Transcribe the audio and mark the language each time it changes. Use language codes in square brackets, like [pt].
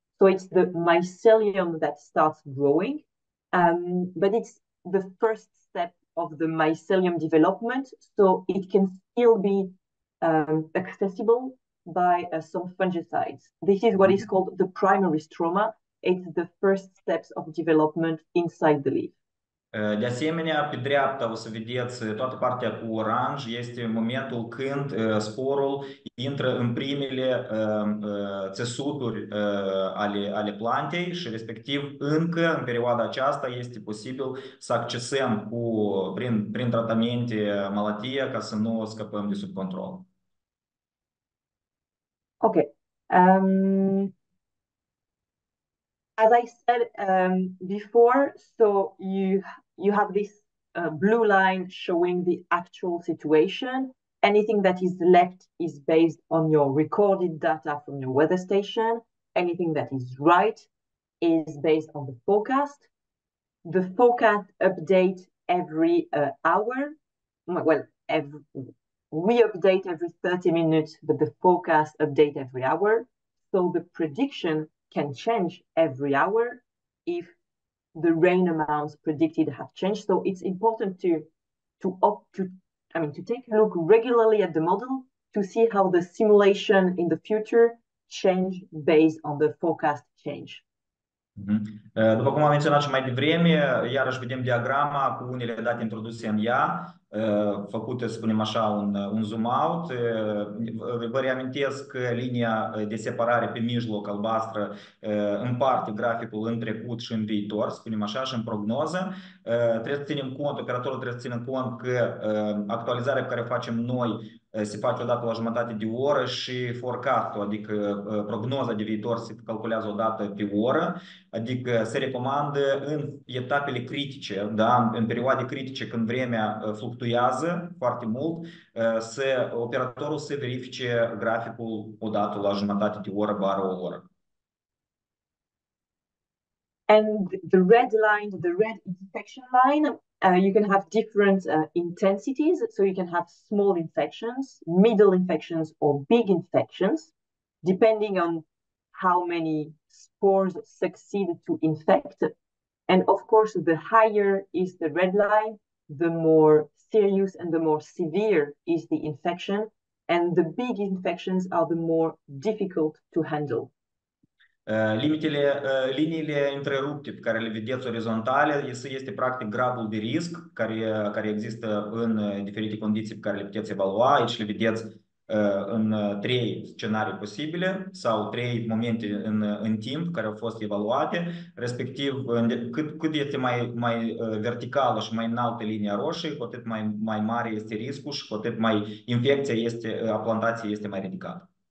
[en] So it's the mycelium that starts growing, but it's the first step of the mycelium development, so it can still be accessible by some fungicides. This is what is called the primary stroma. It's the first steps of development inside the leaf. [ro] De asemenea, pe dreapta o să vedeți toată partea cu oranj, este momentul când sporul intră în primele țesuturi ale plantei și respectiv încă în perioada aceasta este posibil să accesăm prin tratamente malatia ca să nu o scăpăm de sub control. Ok. [en] As I said before, so you have this blue line showing the actual situation. Anything that is left is based on your recorded data from your weather station. Anything that is right is based on the forecast. The forecast update every hour. Well, we update every 30 minutes, but the forecast update every hour. So the prediction can change every hour if the rain amounts predicted have changed. So it's important to take a look regularly at the model to see how the simulation in the future change based on the forecast change. [ro] După cum am menționat și mai devreme, iarăși vedem diagrama cu unele date introduse în ea, făcute, spunem așa, un zoom out. Vă reamintesc că linia de separare pe mijloc albastră împarte graficul în trecut și în viitor, spunem așa, și în prognoză. Trebuie să ținem cont, operatorul trebuie să țină cont că actualizarea pe care o facem noi se face odată la jumătate de oră și forecastul, adică prognoza de viitor se calculează odată pe oră, adică se recomandă în etapele critice, da? În perioade critice când vremea fluctuează foarte mult, operatorul să verifice graficul odată la jumătate de oră, bară o oră. [en] And the red line, the red infection line, you can have different intensities. So you can have small infections, middle infections, or big infections, depending on how many spores succeed to infect. And of course, the higher is the red line, the more serious and the more severe is the infection. And the big infections are the more difficult to handle. [ro] Limitele, liniile întrerupte pe care le vedeți orizontale este practic gradul de risc care există în diferite condiții pe care le puteți evalua. Aici le vedeți în trei scenarii posibile sau trei momente în timp care au fost evaluate, respectiv cât este mai verticală și mai înaltă linia roșie, cu atât mai mare este riscul și cu atât mai infecția este, a plantației este mai ridicată.